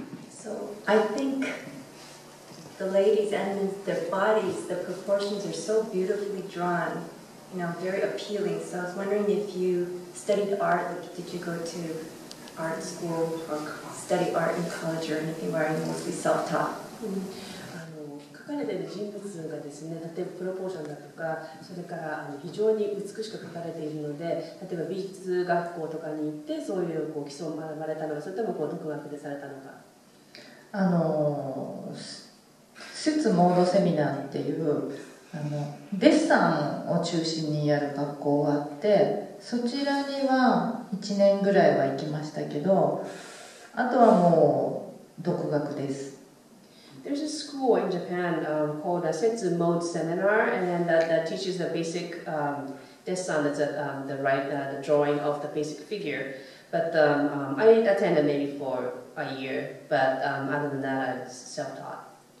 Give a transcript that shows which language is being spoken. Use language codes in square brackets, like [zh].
[en] So I think the ladies and their bodies, the proportions are so beautifully drawn, you know, very appealing. So I was wondering if you studied art, like, did you go to art school or study art in college or anything where you mostly self-taught? Mm-hmm. [ja] 書かれている人物がですね、例えばプロポーションだとか、それから非常に美しく書かれているので、例えば美術学校とかに行ってそういう、こう基礎を学ばれたのか、それともこう独学でされたのか。スーツモードセミナーっていうデッサンを中心にやる学校があって、そちらには1年ぐらいは行きましたけど、あとはもう独学です。 [en] There's a school in Japan called a Setsu Mode Seminar, and then that teaches the basic desan, that's the right the drawing of the basic figure. But I attended maybe for a year, but other than that, I was self-taught.